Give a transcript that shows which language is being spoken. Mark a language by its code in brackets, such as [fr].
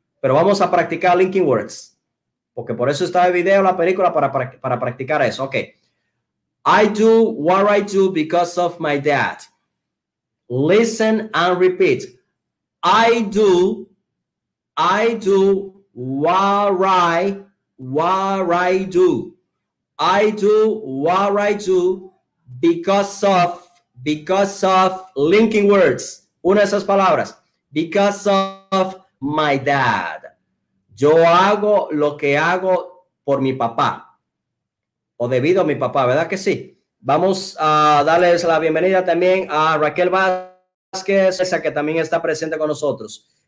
[es] Pero vamos a practicar linking words, porque por eso está el video, la película, para practicar eso. Ok. [en] I do what I do because of my dad. Listen and repeat. I do what I do. I do what I do because of linking words. [es] Una de esas palabras. [en] Because of my dad. [es] Yo hago lo que hago por mi papá. O debido a mi papá, ¿verdad que sí? Vamos a darles la bienvenida también a Raquel Vázquez, esa que también está presente con nosotros.